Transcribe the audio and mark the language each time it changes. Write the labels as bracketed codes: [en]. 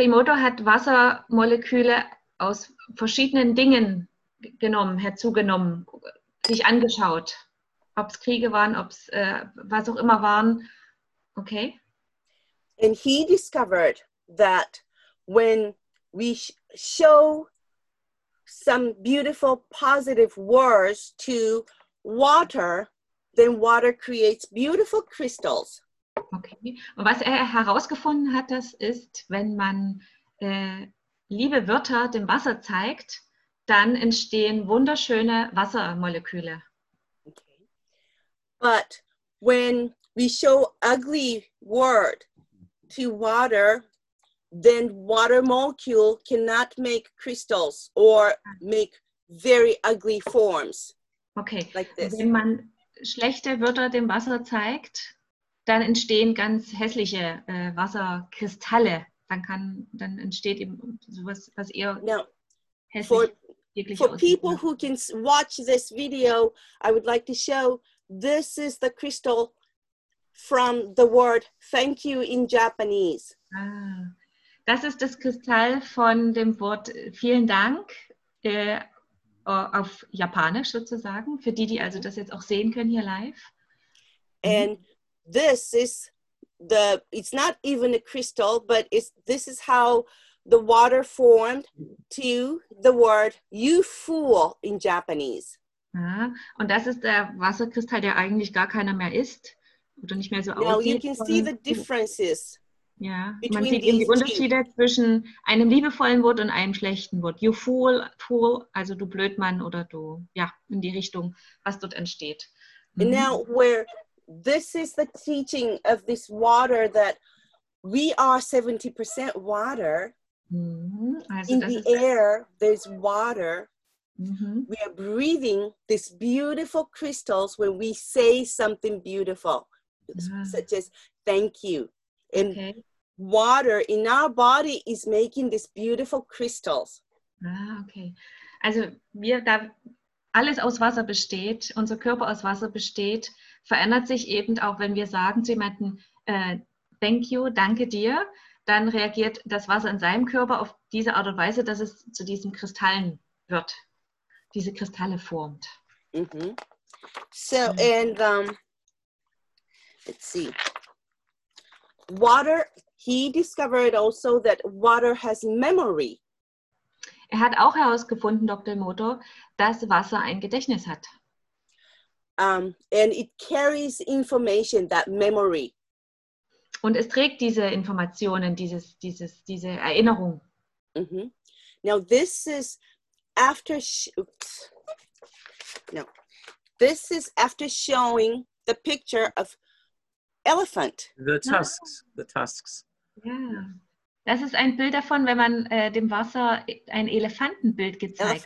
[de] Emoto hat Wassermoleküle aus verschiedenen Dingen genommen, herzugenommen, sich angeschaut, ob es Kriege waren, ob es was auch immer waren. [en] Okay. And he discovered that when we show some beautiful positive words to water, then water creates beautiful crystals. Okay. [de] Und was er herausgefunden hat, das ist, wenn man liebe Wörter dem Wasser zeigt, dann entstehen wunderschöne Wassermoleküle. [en] Okay. But when we show ugly word to water, then water molecule cannot make crystals or make very ugly forms. Okay. Like this. [de] Wenn man schlechte Wörter dem Wasser zeigt, dann entstehen ganz hässliche Wasserkristalle. Dann entsteht eben sowas, was eher [en] Now, [de] hässlich wirklich [en] For people who can watch this video, I would like to show this is the crystal from the word thank you in Japanese. Ah. [de] Das ist das Kristall von dem Wort vielen Dank auf Japanisch sozusagen, für die, die also das jetzt auch sehen können hier live. [en] And this is the, it's not even a crystal, but it's, this is how the water formed to the word you fool in Japanese. [de] Ja, und das ist der Wasserkristall, der eigentlich gar keiner mehr ist oder nicht mehr so aussieht. [en] Now you can see the differences. [de] Ja, man sieht eben die Unterschiede zwischen einem liebevollen Wort und einem schlechten Wort. [en] You fool, fool, [de] also du Blödmann oder du, ja, in die Richtung, was dort entsteht. [en] And now where this is the teaching of this water that we are 70% water. [de] Also [en] in the air, there's water. We are breathing these beautiful crystals when we say something beautiful, such as thank you. And okay. Water in our body is making these beautiful crystals. Ah, okay. [de] Also wir, da alles aus Wasser besteht, unser Körper aus Wasser besteht, verändert sich eben auch, wenn wir sagen zu jemandem, [en] thank you, [de] danke dir, dann reagiert das Wasser in seinem Körper auf diese Art und Weise, dass es zu diesen Kristallen wird, diese Kristalle formt. [en] Mm-hmm. So, and let's see. Water, he discovered also that water has memory. [de] Er hat auch herausgefunden, Dr. Moto, dass Wasser ein Gedächtnis hat. [en] And it carries information, that memory. [de] Und es trägt diese Informationen, diese Erinnerung. Mm-hmm. [en] Now this is after this is after showing the picture of elephant. The tusks. Yeah. [de] Das ist ein Bild davon, wenn man dem Wasser ein Elefantenbild gezeigt.